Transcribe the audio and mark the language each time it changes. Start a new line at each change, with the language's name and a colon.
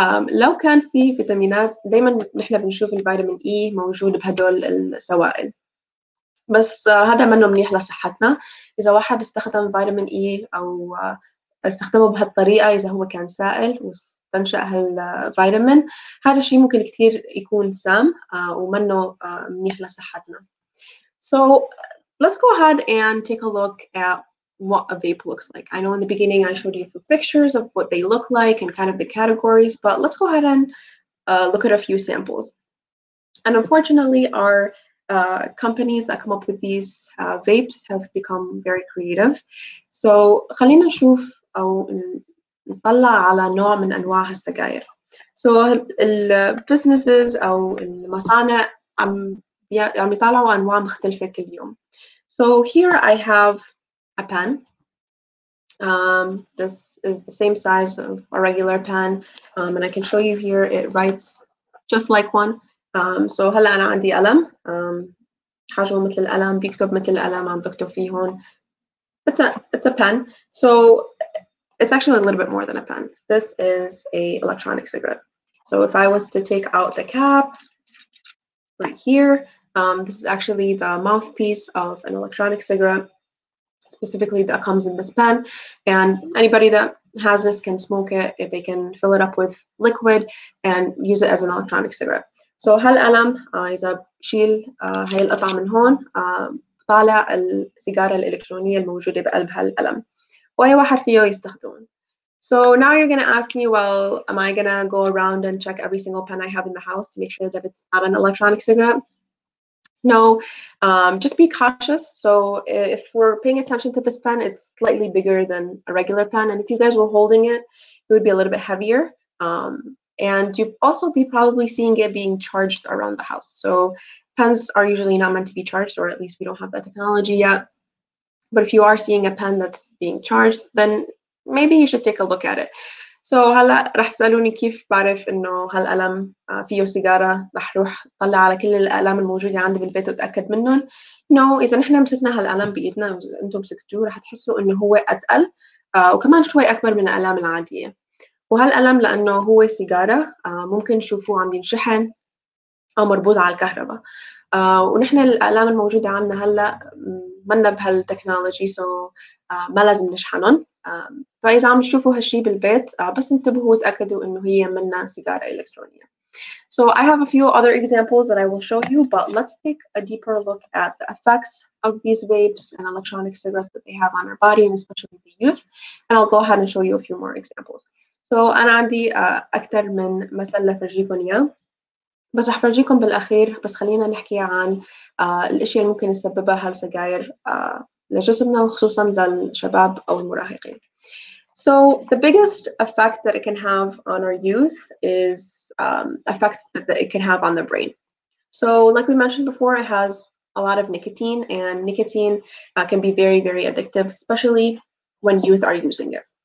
Arabic: لو كان في فيتامينات دائما نحن بنشوف الفيتامين اي موجود بهدول السوائل بس هذا منه منيح لصحتنا اذا واحد استخدم فيتامين اي او استخدمه بهالطريقه اذا هو كان سائل واستنشا هالفيتامين هذا الشيء ممكن كثير يكون سام ومنه منيح لصحتنا.
English: So let's go ahead and take a look at what a vape looks like. I know in the beginning I showed you the pictures of what they look like and kind of the categories, but let's go ahead and look at a few samples. And unfortunately, our companies that come up with these vapes have become very creative.
Arabic: So خلينا نشوف أو نطلع على نوع من أنواع السجائر.
English: So businesses
Arabic: أو المصانع عم يطلعوا أنواع مختلفة كل يوم.
English: So here I have a pen. This is the same size of a regular pen, and I can show you here it writes just like one.
Arabic: So هلا أنا عندي قلم. حاجة مثل القلم بيكتب مثل القلم عم بكتب فيه هون.
English: It's a pen. So it's actually a little bit more than a pen. This is a electronic cigarette. So if I was to take out the cap right here, this is actually the mouthpiece of an electronic cigarette. Specifically that comes in this pen, and anybody that has this can smoke it if they can fill it up with liquid and use it as an electronic cigarette.
Arabic: So هالقلم إذا بشيل هاي القطعة من هون طالع السيجارة الإلكترونية الموجودة بقلب هالقلم وأي واحد فيه يستخدمون.
English: So now you're gonna ask me, well, am I gonna go around and check every single pen I have in the house to make sure that it's not an electronic cigarette? No, just be cautious. So if we're paying attention to this pen, it's slightly bigger than a regular pen. And if you guys were holding it, it would be a little bit heavier. And you'd also be probably seeing it being charged around the house. So pens are usually not meant to be charged, or at least we don't have that technology yet. But if you are seeing a pen that's being charged, then maybe you should take a look at it.
Arabic: So هلا رح سألوني كيف بعرف إنه هالقلم فيه سيجارة رح روح طلع على كل الأقلام الموجودة عندي بالبيت وتأكد منهم. No, إذا نحن مسكنا هالقلم بإيدنا وأنتم مسكتوه رح تحسوا إنه هو أتقل وكمان شوي أكبر من الأقلام العادية. وهالقلم لأنه هو سيجارة ممكن تشوفوه عم ينشحن أو مربوط على الكهرباء. ونحن الأقلام الموجودة عندنا هلا منا بهالتكنولوجي سو ما لازم نشحنهم. فإذا عم تشوفوا هالشي بالبيت بس انتبهوا وتأكدوا إنه هي منا سيجارة إلكترونية.
English: So I have a few other examples that I will show you, but let's take a deeper look at the effects of these vapes and electronic cigarettes that they have on our body and especially the youth. And I'll go ahead and show you a few more examples.
Arabic: So أنا عندي أكثر من مثال لفرجيكم إياه بس رح فرجيكم بالأخير بس خلينا نحكي عن الأشياء اللي ممكن تسببها هالسجاير لجسمنا وخصوصا للشباب أو المراهقين.
English: So the biggest effect that it can have on our youth is effects that it can have on the brain. So like we mentioned before, it has a lot of nicotine, and nicotine can be very, very addictive, especially when youth are using it.